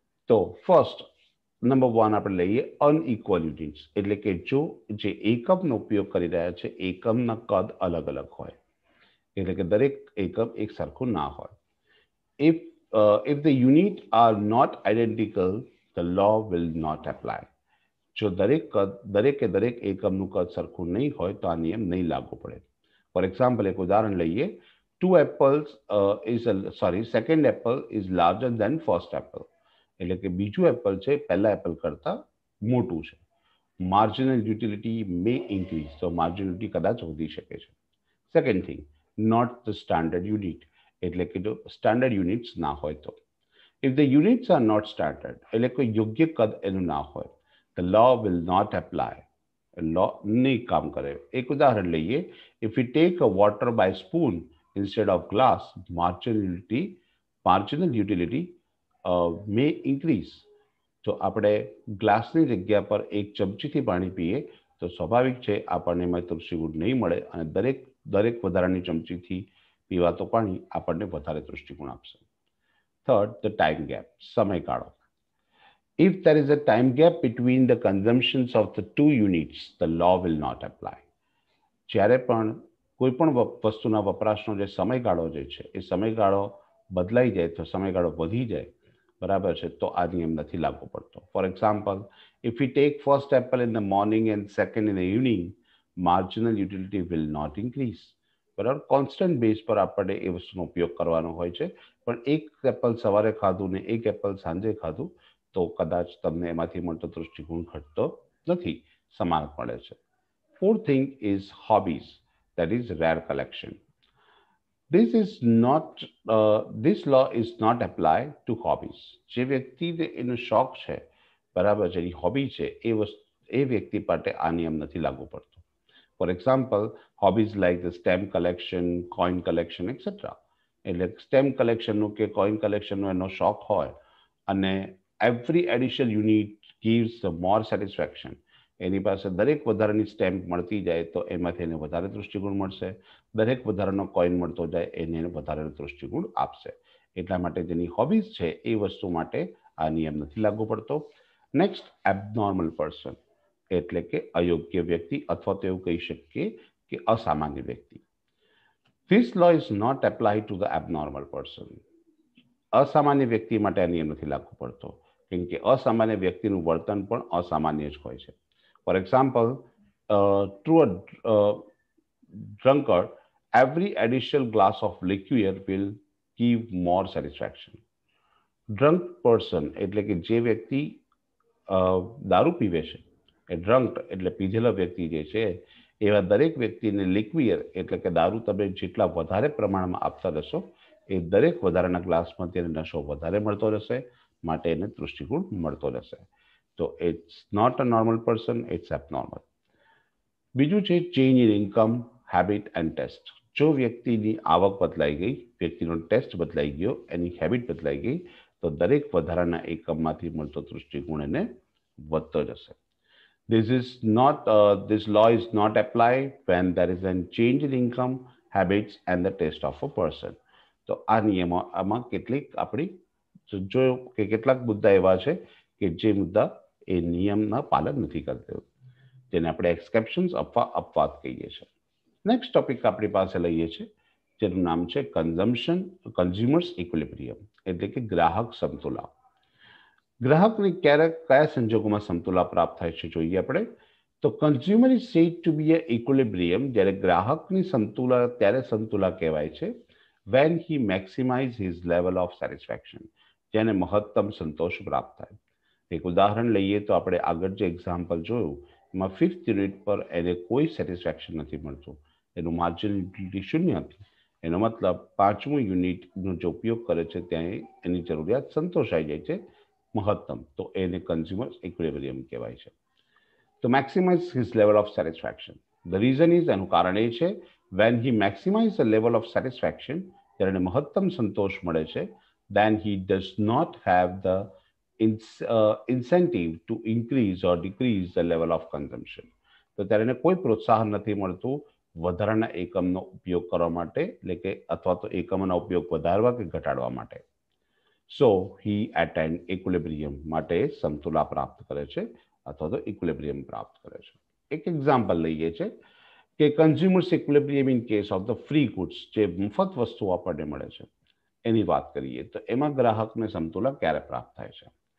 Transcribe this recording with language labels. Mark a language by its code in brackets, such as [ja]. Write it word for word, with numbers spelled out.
[gu] તો first number one આપણે લઈએ અનઇક્વલ યુનિટ્સ, એટલે કે જો જે એકમનો ઉપયોગ કરી રહ્યા છે એકમના કદ અલગ અલગ હોય, એટલે કે દરેક એકમ એક સરખું ના હોય. [en] If if the unit are not identical, the law will not apply. [gu] જો દરેક કદ દરેકે દરેક એકમનું કદ સરખું નહીં હોય તો આ નિયમ નહીં લાગુ પડે. [en] for example, [gu] એક ઉદાહરણ લઈએ [en] two apples uh, is a sorry second apple is larger than first apple, [gu] એટલે કે બીજું એપલ છે પહેલા એપલ કરતા મોટું છે. [en] marginal utility may increase, [gu] તો માર્જિનિલિટી કદાચ વધી શકે છે. [en] second thing, not the standard unit, [gu] એટલે કે જો સ્ટાન્ડર્ડ યુનિટ્સ ના હોય તો. [en] If the units are not standard, [gu] એટલે કોઈ યોગ્ય કદ એનું ના હોય, [en] the law will not apply. [gu] લો નહીં કામ કરે. એક ઉદાહરણ લઈએ. [en] If we take a water by spoon instead of glass, marginality marginal utility uh, may increase. [gu] જો આપણે ગ્લાસની જગ્યા પર એક ચમચીથી પાણી પીએ તો સ્વાભાવિક છે આપણને એમાં તૃષ્ટિગુણ નહીં મળે, અને દરેક દરેક વધારાની ચમચીથી પીવાતો પાણી આપણને વધારે તૃષ્ટિગુણ આપશે. [en] Third, the time gap, સમયગાળો. If there is a time gap between the consumptions of the two units, the law will not apply. [gu] જ્યારે પણ કોઈ પણ વપ- વસ્તુના વપરાશનો જે સમયગાળો જે છે એ સમયગાળો બદલાઈ જાય, તો સમયગાળો વધી જાય, બરાબર છે, તો આ નિયમ નથી લાગુ પડતો. [en] For example, if you take first apple in the morning and second in the evening, marginal utility will not increase. [gu] બરાબર, કોન્સ્ટન્ટ બેઝ પર આપણે એ વસ્તુનો ઉપયોગ કરવાનો હોય છે, પણ એક એપલ સવારે ખાધું ને એક એપલ સાંજે ખાધું તો કદાચ તમને એમાંથી મળતો દૃષ્ટિકોણ ઘટતો નથી, સમાન પડે છે. [en] Fourth thing is hobbies, that is rare collection. This is not uh, this law is not applied to hobbies. [gu] જે વ્યક્તિને એનો શોખ છે, બરાબર છે, એની હોબી છે, એ વસ્તુ એ વ્યક્તિ માટે આ નિયમ નથી લાગુ પડતો. [en] For example, hobbies like the stamp collection, coin collection etcetera. [gu] એટલે સ્ટેમ્પ કલેક્શનનું કે કોઇન કલેક્શનનો એનો શોખ હોય, અને [en] Every additional unit gives the more satisfaction. [gu] એની પાસે દરેક વધારાની સ્ટેમ્પ મળતી જાય તો એમાંથી એને વધારે દૃષ્ટિકોણ મળશે, દરેક વધારાનો કોઇન મળતો જાય એને એને વધારે દૃષ્ટિકોણ આપશે. એટલા માટે જેની હોબીઝ છે એ વસ્તુ માટે આ નિયમ નથી લાગુ પડતો. [en] next, abnormal person, [gu] એટલે કે અયોગ્ય વ્યક્તિ, અથવા તો એવું કહી શકીએ કે અસામાન્ય વ્યક્તિ. [en] This law is not applied to the abnormal person. [gu] અસામાન્ય વ્યક્તિ માટે આ નિયમ નથી લાગુ પડતો, કેમ કે અસામાન્ય વ્યક્તિનું વર્તન પણ અસામાન્ય જ હોય છે. [en] For example, true a drunkard, every additional glass of liquor will give more satisfaction. Drunk person, [gu] એટલે કે જે વ્યક્તિ અ, દારૂ પીવે છે, એ ડ્રંક એટલે પીધેલો વ્યક્તિ જે છે, એવા દરેક વ્યક્તિને લિક્વિયર એટલે કે દારૂ તમે જેટલા વધારે પ્રમાણમાં આપતા રહેશો, એ દરેક વધારાના ગ્લાસમાં તેને નશો વધારે મળતો રહેશે, માટે એને દૃષ્ટિકોણ મળતો રહેશે. [en] તો it's not a normal person, it's abnormal. [gu] બીજું છે [en] Change in income, habit and taste. [gu] જો વ્યક્તિની આવક બદલાઈ ગઈ, વ્યક્તિનો ટેસ્ટ બદલાઈ ગયો, એની હેબિટ બદલાઈ ગઈ, તો દરેક વધારાના એકમમાંથી મળતો દૃષ્ટિકોણ એને વધતો જશે. [en] This is not uh, this law is not applied when there is a change in income, habits and the taste of a person. [gu] તો આ નિયમો આમાં કેટલીક આપણી જો જો કે કેટલાક મુદ્દા એવા છે કે જે મુદ્દા એ નિયમના પાલન નથી કરતો, જેને આપણે એક્સેપ્શન્સ અથવા અપવાદ કહીએ છીએ. નેક્સ્ટ ટોપિક આપણી પાસે લઈએ છીએ, જેનું નામ છે કન્ઝમ્પશન કન્ઝ્યુમર્સ ઇક્વિલિબ્રિયમ, એટલે કે ગ્રાહક સમતુલા. ગ્રાહકને ક્યારે કયા સંજોગોમાં સમતુલા પ્રાપ્ત થાય છે જોઈએ આપણે. [en] તો consumer is said to be a equilibrium, [gu] જ્યારે ગ્રાહકની સંતુલા ત્યારે સંતુલા કહેવાય છે, [en] when he maximize his level of satisfaction, [gu] જેને મહત્તમ સંતોષ પ્રાપ્ત થાય. એક ઉદાહરણ લઈએ તો આપણે આગળ જે એક્ઝામ્પલ જોયું એમાં ફિફ્થ યુનિટ પર એને કોઈ સેટિસ્ફેક્શન નથી મળતું, એનું માર્જિન યુટિલિટી શૂન્ય હતી, એનો મતલબ પાંચમું યુનિટનો જે ઉપયોગ કરે છે ત્યાં એ- એની જરૂરિયાત સંતોષાઈ જાય છે મહત્તમ, તો એને કન્ઝ્યુમર ઇક્વિલિબ્રિયમ કહેવાય છે. [en] To maximize his level of satisfaction. The reason is, [gu] એનું કારણ એ છે, [en] when he maximizes the level of satisfaction, [gu] ત્યારે એને મહત્તમ સંતોષ મળે છે, [en] then he does not have the ins- uh, incentive to increase or decrease the level of consumption. [gu] તો ત્યારે એને કોઈ પ્રોત્સાહન નથી મળતું વધારાના એકમનો ઉપયોગ કરવા માટે, એટલે કે અથવા તો એકમનો ઉપયોગ વધારવા કે ઘટાડવા માટે. [en] so he attend equilibrium, [gu] માટે સમતુલા પ્રાપ્ત કરે છે અથવા તો ઇક્વિલિબ્રિયમ પ્રાપ્ત કરે છે. એક એક્ઝામ્પલ લઈએ છે કે [en] consumer's equilibrium in case of the free goods, [gu] જે મફત વસ્તુઓ આપણને મળે છે એની વાત કરીએ તો એમાં ગ્રાહકને સમતુલા ક્યારે પ્રાપ્ત થાય છે.